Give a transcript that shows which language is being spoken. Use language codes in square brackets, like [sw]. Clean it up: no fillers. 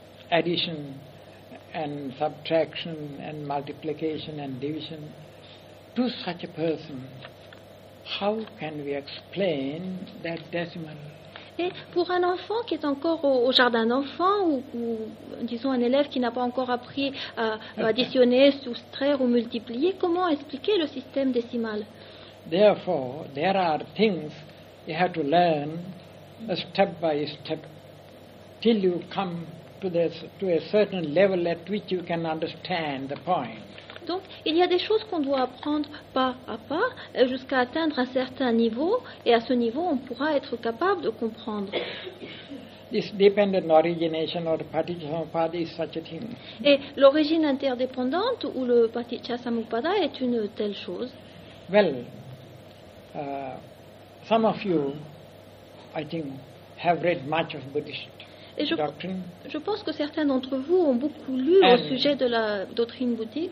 [en] Addition and subtraction and multiplication and division to such a person, how can we explain that decimal? [fr] Et pour un enfant qui est encore au jardin d'enfants ou disons un élève qui n'a pas encore appris à additionner, soustraire ou multiplier, comment expliquer le système décimal? [en] Therefore, there are things you have to learn step by step till you come to a certain level at which you can understand the point. [fr] Donc, il y a des choses qu'on doit apprendre pas à pas jusqu'à atteindre un certain niveau, et à ce niveau, on pourra être capable de comprendre. [en] This dependent origination or Paticchasamuppada is such a thing. [fr] Et l'origine interdépendante ou le Paticchasamuppada est une telle chose. [en] Well, some of you, I think, have read much of Buddhist. [fr] Et je pense que certains d'entre vous ont beaucoup lu au sujet de la doctrine bouddhique.